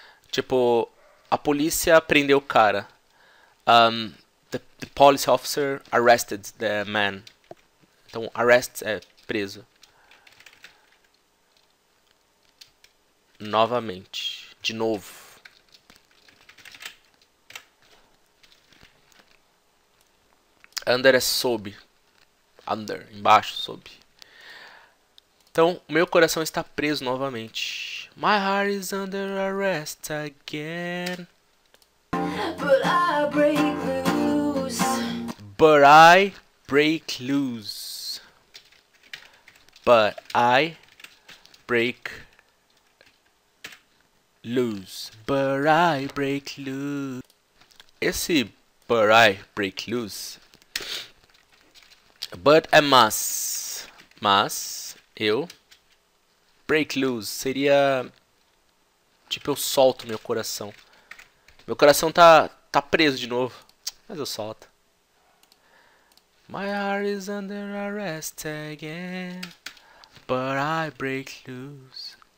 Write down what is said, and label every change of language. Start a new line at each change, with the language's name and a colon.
Portuguese: Tipo, a polícia prendeu o cara.
English: The police officer arrested the man.
Portuguese: Então, arrest é preso. Novamente. De novo. Under é sob. Under. Embaixo, sob. Então, meu coração está preso novamente.
English: My heart is under arrest again. But I break loose. But I break loose. But I break loose. But I break loose. Esse but I break loose.
Portuguese: But é mas eu
English: break loose
Portuguese: seria tipo eu solto meu coração. Meu coração tá preso de novo, mas eu solto.
English: My heart is under arrest again, but I break loose.